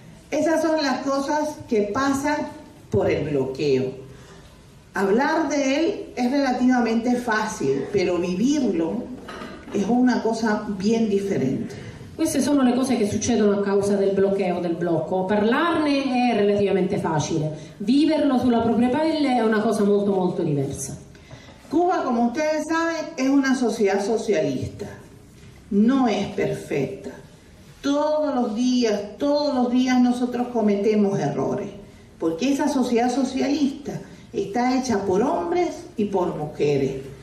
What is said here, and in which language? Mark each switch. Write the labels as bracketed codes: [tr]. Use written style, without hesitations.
[es] Esas son las cosas que pasan por el bloqueo. Hablar de él es relativamente fácil, pero vivirlo es una cosa bien diferente. [it] Queste sono le cose che succedono a causa del bloqueo, del blocco. Parlarne è relativamente facile. Viverlo sulla propria pelle è una cosa molto, molto diversa. [es] Cuba, como ustedes saben, es una sociedad socialista. No es perfecta. Todos los días nosotros cometemos errores. Porque esa sociedad socialista está hecha por hombres y por mujeres,